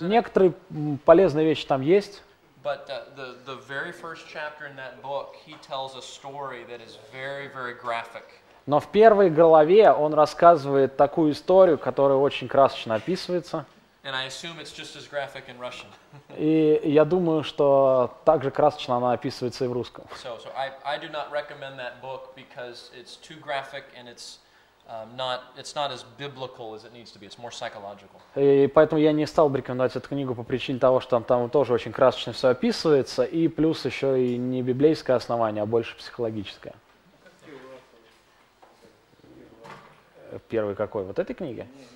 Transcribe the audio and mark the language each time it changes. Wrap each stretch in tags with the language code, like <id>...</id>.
<ru>Некоторые полезные вещи там есть.</ru> <en>But the very first chapter in that book, he tells a story that is very, very graphic.</en> <ru>Но в первой главе он рассказывает такую историю, которая очень красочно описывается.</ru> <en>And I assume it's just as graphic in Russian.</en> <ru>И я думаю, что также красочно она описывается и в русском.</ru> <en>So I do not recommend that book because it's too graphic and it's not as biblical as it needs to be. It's more psychological.</en> <ru>И поэтому я не стал бы рекомендовать эту книгу по причине того, что там тоже очень красочно все описывается, и плюс еще и не библейское основание, а больше психологическое. Первый какой? Вот этой книги?</ru>